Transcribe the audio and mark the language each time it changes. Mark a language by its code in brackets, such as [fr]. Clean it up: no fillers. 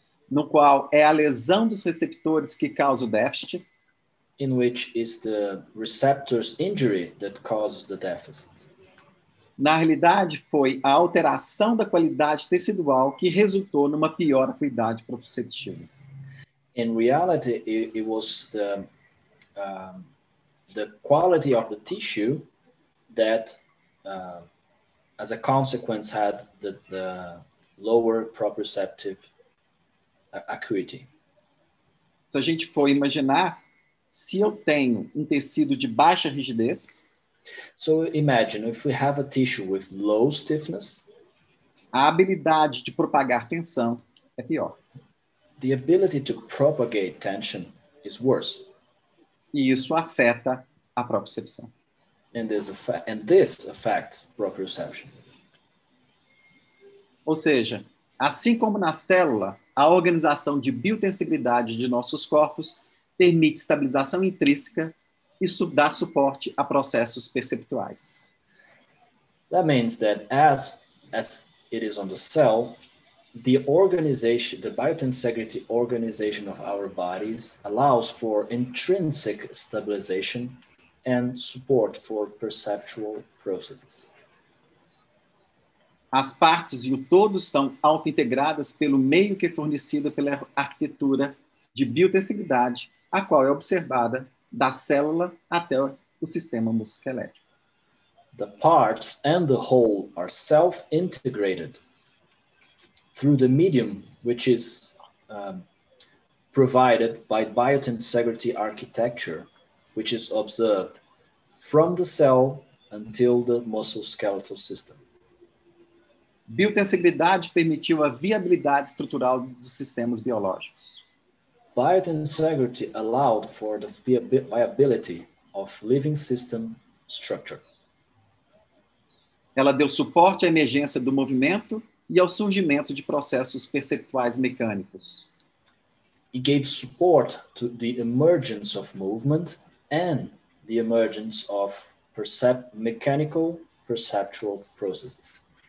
[pt] no qual é a lesão dos receptores que causa o déficit, [en] in which is the receptor's injury that causes the deficit. [pt] Na realidade, foi a alteração da qualidade tecidual que resultou numa pior acuidade proprioceptiva. [en] In reality, it was the quality of the tissue that as a consequence, had the lower proprioceptive acuity. [pt] Se a gente for imaginar, se eu tenho tecido de baixa rigidez, [en] so imagine if we have a tissue with low stiffness, [pt] a habilidade de propagar tensão é pior. [en] The ability to propagate tension is worse. [pt] E isso afeta a propriocepção. [en] And this affects proprioception. [pt] Ou seja, assim como na célula, a organização de biotensibilidade de nossos corpos permite estabilização intrínseca e dá suporte a processos perceptuais. [en] That means that as it is on the cell, the organization, the biotensegrity organization of our bodies allows for intrinsic stabilization and support for perceptual processes. [pt] As partes e o todo são auto-integradas pelo meio que é fornecido pela arquitetura de biotensibilidade, a qual é observada da célula até o sistema musculoesquelético. [en] The parts and the whole are self-integrated through the medium which is provided by biotensegrity architecture, which is observed from the cell until the muscle skeletal system. [pt] Biotensibilidade permitiu a viabilidade estrutural dos sistemas biológicos. [en] Biotensegrity allowed for the viability of living system structure. [pt] Ela deu suporte à emergência do movimento e ao surgimento de processos perceptuais mecânicos. [en] It gave support to the emergence of movement and the emergence of mechanical perceptual processes.